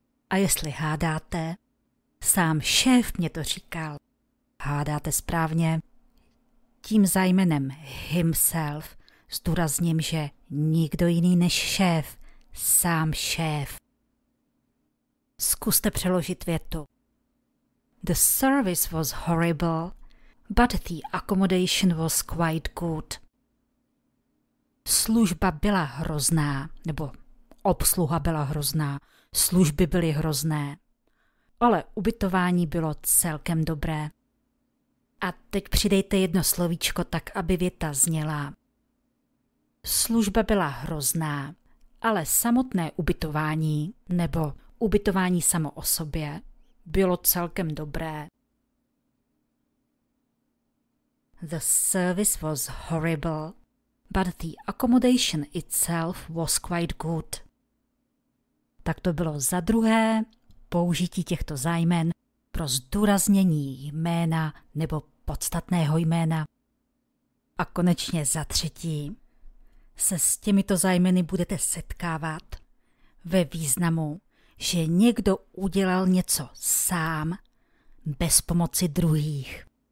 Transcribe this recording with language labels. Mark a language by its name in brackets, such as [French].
[Czech] A jestli hádáte, sám šéf mě to říkal. Hádáte správně. Tím zájmenem himself zdůrazním, že nikdo jiný než šéf, sám šéf. Zkuste přeložit větu. [English] The service was horrible, but the accommodation was quite good. [Czech] Služba byla hrozná, nebo obsluha byla hrozná, služby byly hrozné, ale ubytování bylo celkem dobré. A teď přidejte jedno slovíčko tak, aby věta zněla. Služba byla hrozná, ale samotné ubytování, nebo ubytování samo o sobě, bylo celkem dobré. [English] The service was horrible, but the accommodation itself was quite good. [Czech] Tak to bylo za druhé použití těchto zájmen pro zdůraznění jména nebo podstatného jména. A konečně za třetí. Se s těmito zájmeny budete setkávat ve významu, že někdo udělal něco sám, bez pomoci druhých.